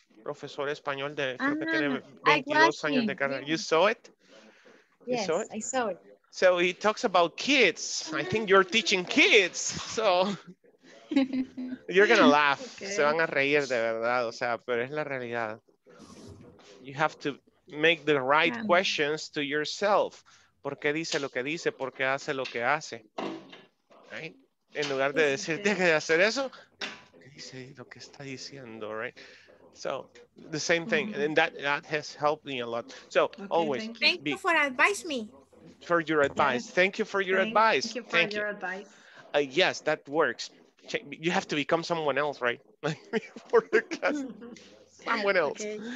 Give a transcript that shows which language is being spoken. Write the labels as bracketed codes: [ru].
[es] Profesor español de creo que tiene 22 años de carrera. [en] You saw it? Yes, saw it? I saw it. So he talks about kids. I think you're teaching kids. So you're going to laugh. Okay. [es] Se van a reír de verdad. O sea, pero es la realidad. [en] You have to make the right questions to yourself. [es] ¿Por qué dice lo que dice? ¿Por qué hace lo que hace? Right? En lugar de decir, deje de hacer eso, ¿qué dice lo que está diciendo? [en] Right? So the same thing, and that has helped me a lot. So always thank you for your advice. Thank you for your advice. Yes, that works. you have to become someone else, right? For the class. Someone else.